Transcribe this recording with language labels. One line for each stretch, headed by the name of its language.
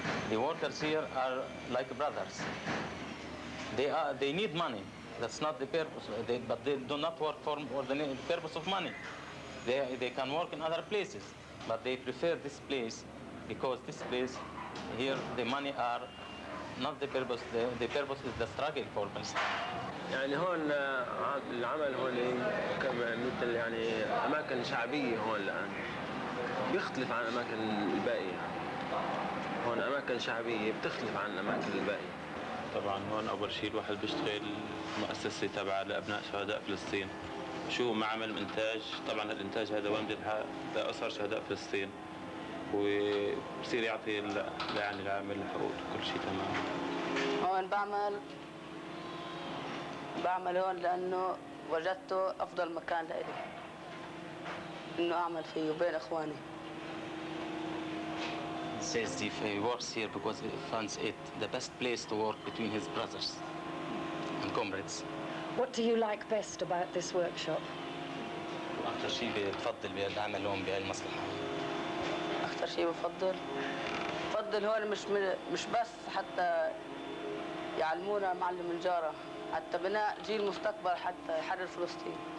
English: The workers here are like brothers. They need money. That's not the purpose. But they do not work for the purpose of money. They can work in other places, but they prefer this place because this place here the money are not the purpose. The purpose is the struggle for Palestine.
Arabic: يعني هون العمل هون كما مثل يعني أماكن شعبية هون لأن بيختلف عن أماكن الباقية هون أماكن شعبية بتختلف عن أماكن الباقية طبعا هون أول شيء الواحد بيشتغل مؤسسة تابعة لأبناء شهداء فلسطين شو معمل إنتاج طبعا الإنتاج هذا وين بيلحق لأسر شهداء فلسطين وبصير يعطي يعني العامل الحقوق كل شيء تمام هون بعمل هون لأنه وجدته أفضل مكان لإلي إنه أعمل فيه وبين إخواني
English: says if he works here because he finds it the best place to work between his brothers and comrades. What do you like best about this workshop?
Arabic: أكثر شيء بفضل بالعمل هون بهالمصلحة. أكثر شيء بفضل بفضل هون مش بس حتى يعلمونا معلم الجارة حتى بناء جيل مستقبل حتى يحرر فلسطين.